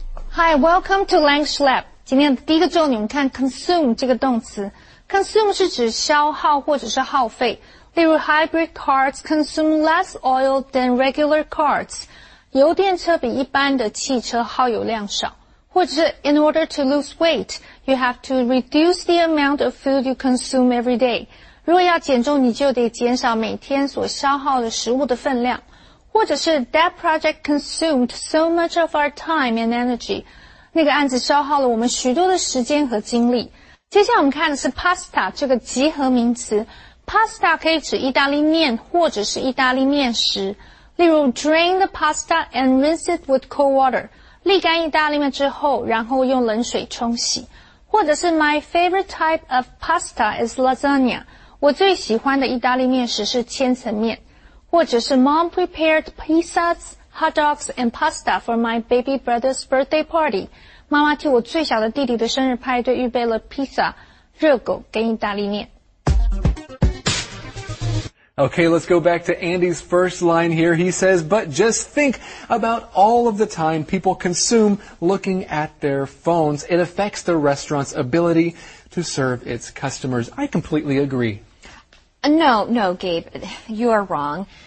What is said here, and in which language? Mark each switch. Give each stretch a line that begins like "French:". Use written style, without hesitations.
English: Hi, welcome to Language Lab.
Chinese: 今天的第一个重点，我们看 consume 这个动词。 Consume 是指消耗或者是耗费。例如
English: ,hybrid cars consume less oil than regular cars.
Chinese: 油电车比一般的汽车耗油量少。或者是
English: ,in order to lose weight, you have to reduce the amount of food you consume every day.
Chinese: 如果要减重，你就得减少每天所消耗的食物的分量。或者是
English: that project consumed so much of our time and energy.
Chinese: 那个案子消耗了我们许多的时间和精力。接下来我们看的是 pasta 这个集合名词。Pasta 可以指意大利面或者是意大利面食。例如
English: drain the pasta and rinse it with cold water.
Chinese: 沥干意大利面之后然后用冷水冲洗。或者是
English: my favorite type of pasta is lasagna.
Chinese: 我最喜欢的意大利面食是千层面。或者是
English: Mom prepared pizzas, hot dogs, and pasta for my baby brother's birthday party.
Chinese: 妈妈替我最小的弟弟的生日派对预备了 pizza, 热狗跟意大利面。
English: Okay, let's go back to Andy's first line here. He says, but just think about all of the time people consume looking at their phones. It affects the restaurant's ability to serve its customers. I completely agree. No, Gabe, you are wrong.